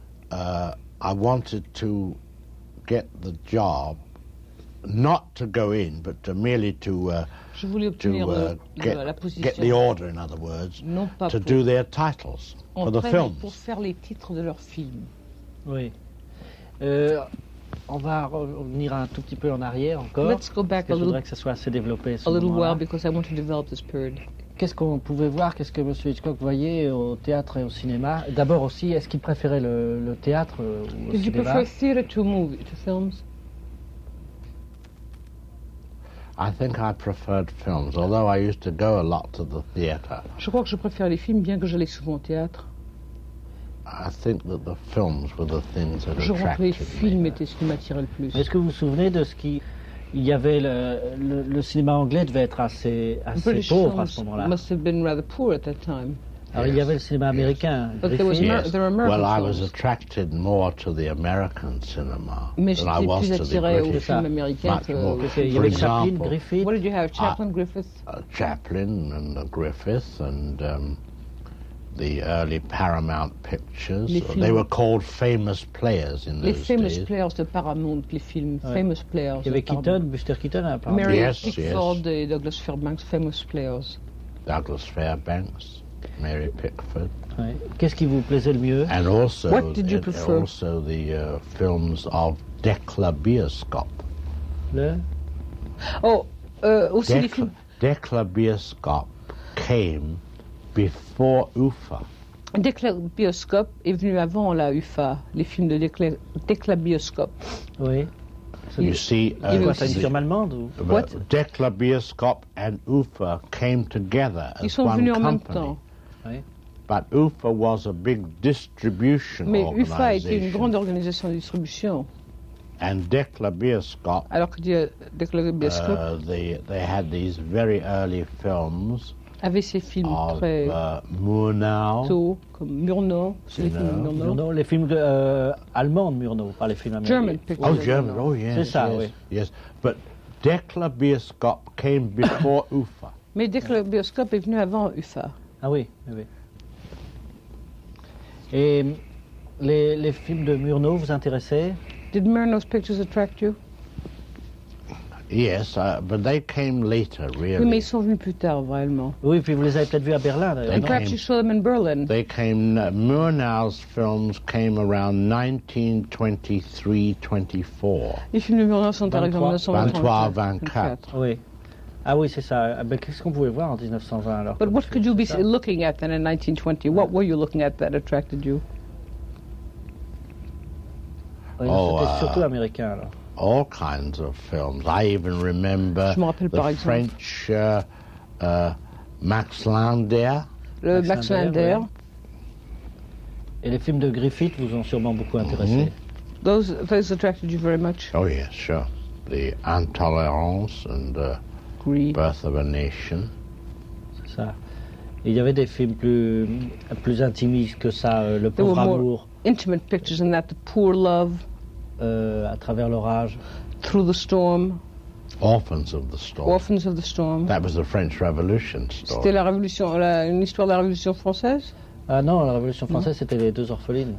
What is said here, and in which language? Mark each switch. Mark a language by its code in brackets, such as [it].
[en] I wanted to get the job, not to go in, but to merely to get the order, in other words, [fr] non pas [en] to [fr] pour [en] do their titles [fr] en [en] for the films. [fr] Pour faire les titres de leurs films. Oui. On va revenir un tout petit peu en arrière encore. [en] Let's go back a little. [fr] Je voudrais que ça soit assez développé. [en] A little while, because I want to develop this period. [fr] Qu'est-ce qu'on pouvait voir? Qu'est-ce que Monsieur Hitchcock voyait au théâtre et au cinéma? D'abord aussi, est-ce qu'il préférait le théâtre ou le cinéma? [en] Did you prefer theater to movies, to films? I think I preferred films, although I used to go a lot to the theater. [fr] Je crois que je préfère les films, bien que j'allais souvent au théâtre. [en] I think that the films were the things that [fr] Je [en] attracted me. [fr] Je crois que les films étaient ce qui m'attirait le plus. Est-ce que vous vous souvenez de ce qui il y avait le cinéma anglais devait être assez pauvre à ce moment-là. [en] Must have been rather poor at that time. [fr] Alors, yes. Il y avait le cinéma américain. [en] Yes. But there was there were American films. I was attracted more to the American cinema than I was to the British. For example, Griffith. What did you have? Chaplin, Griffith. Chaplin and Griffith and the early Paramount pictures. They were called famous players in those days. [fr] Les famous players de Paramount, les films famous players. Il y avait Keaton, Buster Keaton, [en] Mary Pickford, Douglas Fairbanks, famous players. Douglas Fairbanks. Mary Pickford. [fr] Ouais. Qu'est-ce qui vous plaisait le mieux? [en] And also, what did you prefer? Also the films of Dekla Bioskop. [fr] Le? Oh, aussi les films. [en] Dekla Bioskop came before UFA. [fr] Dekla Bioskop est venu avant la UFA, les films de Dekla Bioskop. Oui. [en] You see, what? Dekla Bioskop and UFA came together as one company. But UFA was a big distribution organization. [fr] Mais UFA était une grande organisation de distribution. [en] And Dekla Bioskop. [fr] Alors que Dekla Bioskop. [en] They had these very early films. [fr] Avait ces films [en] of, [fr] très Murnau. Tôt, comme Murnau, les films Murnau. Murnau, les films allemands de Murnau, pas les films américains. [en] German pictures. Oh, German. Oh, yes. [fr] C'est ça, [en] yes, [fr] oui. [en] Yes, but Dekla Bioskop came before UFA. [fr] Mais Dekla Bioskop est venu avant UFA. Ah oui, oui, oui. Et les films de Murnau vous intéressaient? [en] Did Murnau's pictures attract you? Yes, but they came later, really. [fr] Oui, mais ils sont venus plus tard, vraiment. Oui, puis vous les avez peut-être vus à Berlin, d'ailleurs. [en] And perhaps you saw them in Berlin. They came, Murnau's films came around 1923-24. [fr] Les films de Murnau sont arrivés en 1923-24. Oui. Ah oui, c'est ça. Mais qu'est-ce qu'on pouvait voir en 1920, alors? [en] But what could you be looking at then in 1920? What were you looking at that attracted you? [fr] Oh, c'était surtout américain, alors. [en] All kinds of films. I even remember French Max Lander. [fr] Le Max Lander. Et les films de Griffith vous ont sûrement beaucoup intéressé. Mm-hmm. [en] Those attracted you very much. Oh yes, sure. The Intolérance and Birth of a Nation. [fr] C'est ça. Il y avait des films plus intimistes que ça, Le Pauvre [en] There were more [fr] Amour. [en] Intimate pictures than that, The Poor Love. [fr] À travers l'orage. [en] Through the storm. Orphans of the storm. Orphans of the storm. That was the French Revolution story. [fr] C'était la révolution, une histoire de la Révolution française. Ah non, la Révolution française, c'était les deux orphelines.